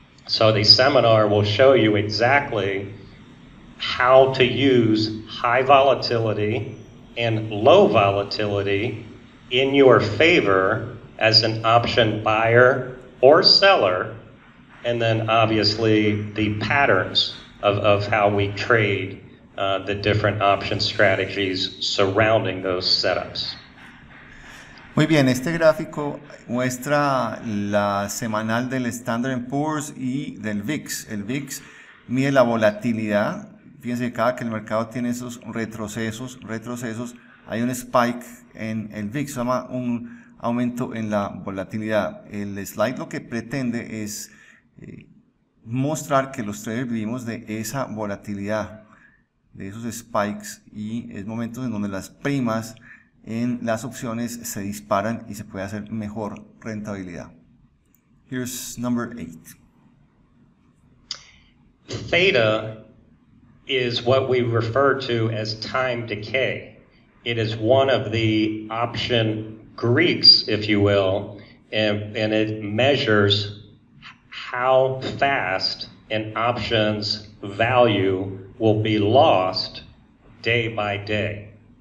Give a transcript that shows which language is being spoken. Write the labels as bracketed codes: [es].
[en] So the seminar will show you exactly how to use high volatility and low volatility in your favor as an option buyer or seller. And then obviously the patterns of how we trade the different option strategies surrounding those setups. [es] Muy bien, este gráfico muestra la semanal del Standard & Poor's y del VIX. El VIX mide la volatilidad. Fíjense que cada que el mercado tiene esos retrocesos, hay un spike en el VIX, se llama un aumento en la volatilidad. El slide lo que pretende es mostrar que los traders vivimos de esa volatilidad, de esos spikes, y es momento en donde las primas en las opciones se disparan y se puede hacer mejor rentabilidad. [en] Here's number 8. Theta is what we refer to as time decay. It is one of the option Greeks, if you will, and it measures how fast an option's value will be lost day by day.